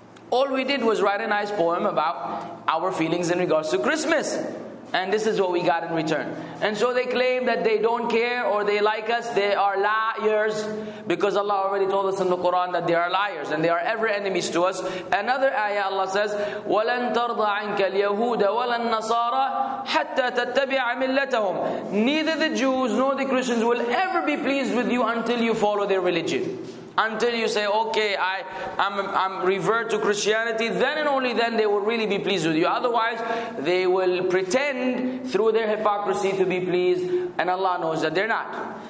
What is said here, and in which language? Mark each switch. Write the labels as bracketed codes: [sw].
[en] All we did was write a nice poem about our feelings in regards to Christmas. And this is what we got in return. And so they claim that they don't care or they like us. They are liars. Because Allah already told us in the Quran that they are liars. And they are ever enemies to us. Another ayah Allah says, [ar] وَلَن تَرْضَ عَنْكَ الْيَهُودَ وَلَا النَّصَارَى حَتَّى تَتَّبِعَ مِلَّتَهُمْ. [en] Neither the Jews nor the Christians will ever be pleased with you until you follow their religion. Until you say, okay, I'm revert to Christianity, then and only then they will really be pleased with you. Otherwise, they will pretend through their hypocrisy to be pleased, and Allah knows that they're not.